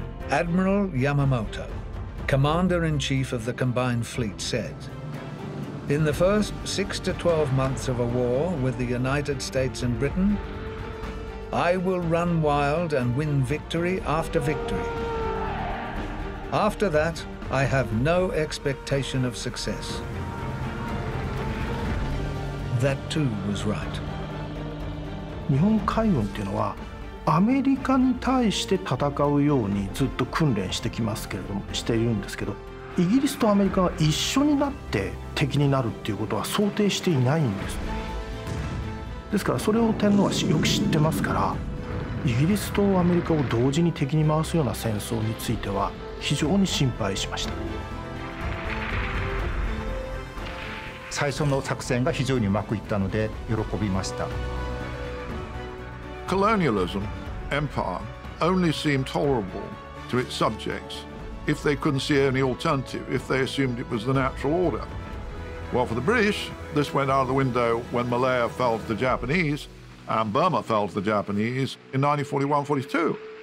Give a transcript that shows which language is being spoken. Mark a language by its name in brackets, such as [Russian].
[English] Admiral Yamamoto, commander-in-chief of the combined fleet, said, "In the first 6 to 12 months of a war with the United States and Britain, I will run wild and win victory after victory. After that, I have no expectation of success." That too was right. [Japanese] 日本海軍というのはアメリカに対して戦うようにずっと訓練してきますけれども、しているんですけど、イギリスとアメリカが一緒になって敵になるっていうことは想定していないんです。ですからそれを天皇はよく知ってますから、イギリスとアメリカを同時に敵に回すような戦争については非常に心配しました。最初の作戦が非常にうまくいったので喜びました。 [English] Colonialism, empire, only seemed tolerable to its subjects if they couldn't see any alternative, if they assumed it was the natural order. Well, for the British, this went out of the window when Malaya fell to the Japanese and Burma fell to the Japanese in 1941-42.